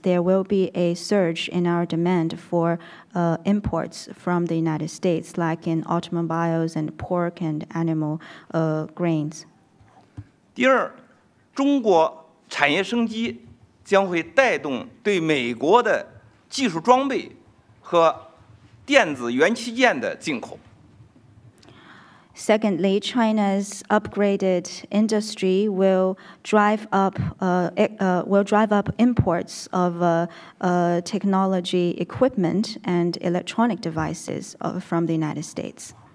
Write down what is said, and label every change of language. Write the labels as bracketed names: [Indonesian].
[English] There will be a surge in our demand for imports from the United States, like in automobiles and pork and animal grains. [Chinese] 第二，中国产业升级将会带动对美国的技术装备和电子元器件的进口。 [English] Secondly, China's upgraded industry will drive up imports of technology equipment and electronic devices from the United States.